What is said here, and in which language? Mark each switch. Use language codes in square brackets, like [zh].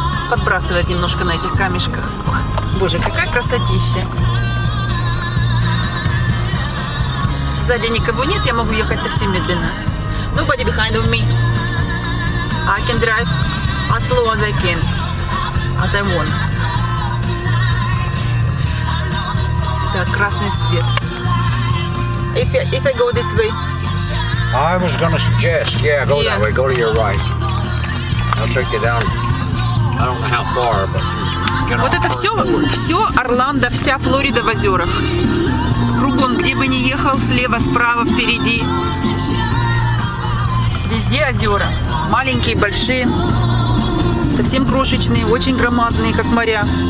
[ru] Подбрасывает немножко на этих камешках. Боже, какая красотища. сзади никого нет, я могу ехать совсем медленно. [en] Nobody behind of me. I can drive as slow as I can, as I want. [ru] Так, красный свет. [en] If I go this way. I was gonna suggest, yeah, go that way, go to your right. I'll take you down. I don't know how far, but. [ru] Вот это все, все Орландо, вся Флорида в озерах. Кругом, где бы ни ехал, слева, справа, впереди. Везде озера. Маленькие, большие. Совсем крошечные, очень громадные, как моря.